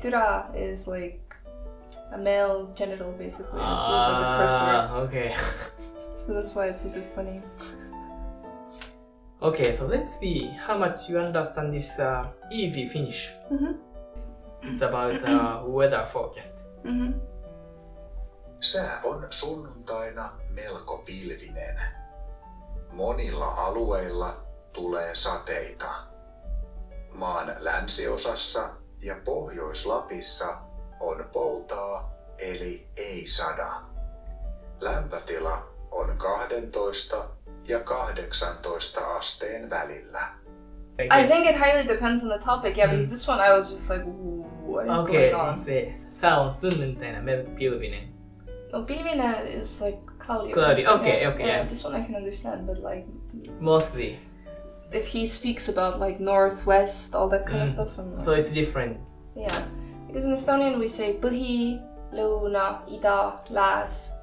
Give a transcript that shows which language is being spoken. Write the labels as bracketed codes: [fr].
[en] Tura is like a male genital, basically. Ah, it's used as a curse word. Okay. So that's why it's a bit funny. Okay, so let's see how much you understand this easy Finnish. Mm-hmm. It's about weather forecast. [fi] Sää on sunnuntaina melko pilvinen. Monilla alueilla tulee sateita. Maan länsiosassa ja Pohjois-Lapissa on poutaa, eli ei sada. Lämpötila on 12 ja 18 asteen välillä. [en] I think it highly depends on the topic. Yeah, because this one I was just like, what is going on? [fi] Okay, sää on sunnuntaina melko pilvinen. [en] No, pilvinen is like cloudy. Cloudy, okay. Yeah, this one I can understand, but like... Mostly. If he speaks about like northwest, all that kind of stuff. I'm so it's different. Yeah, because in Estonian we say [et] põhi, lõuna, ida, lääs.